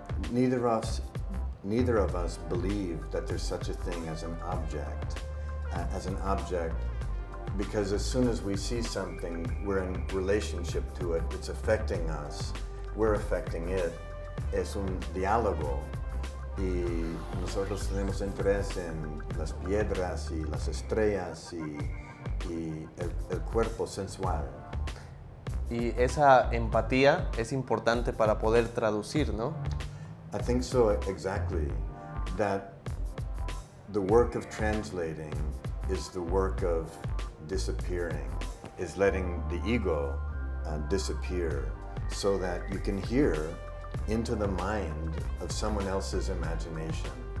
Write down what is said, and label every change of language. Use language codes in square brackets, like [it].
[en] neither of us believe that there's such a thing as an object, because as soon as we see something, we're in relationship to it, it's affecting us, we're affecting it. [es] Es un diálogo. Y nosotros tenemos interés en las piedras y las estrellas y el cuerpo sensual. Y esa empatía es importante para poder traducir, ¿no? [en] I think so, exactly. That the work of translating is the work of disappearing, is letting the ego disappear so that you can hear into the mind of someone else's imagination.